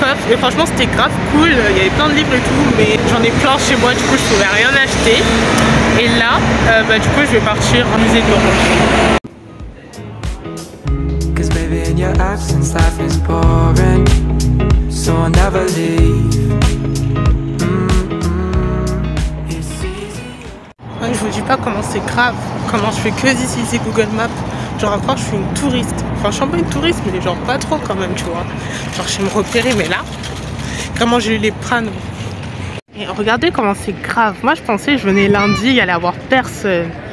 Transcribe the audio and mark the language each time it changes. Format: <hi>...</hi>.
<fr>Et franchement c'était grave cool, il y avait plein de livres et tout, mais j'en ai plein chez moi, du coup je pouvais rien acheter. Et là, bah, du coup je vais partir en musée de l'Orange.</fr> <en>Cause baby in your absence life is boring, so I'll never leave.</en> <fr>Ouais, je vous dis pas comment c'est grave, comment je fais que d'utiliser Google Maps. Genre encore je suis une touriste, enfin je suis pas une touriste mais genre pas trop quand même tu vois. Genre je suis me repérer mais là, vraiment j'ai eu les pranes. Et regardez comment c'est grave, moi je pensais que je venais lundi, il allait avoir personne.</fr>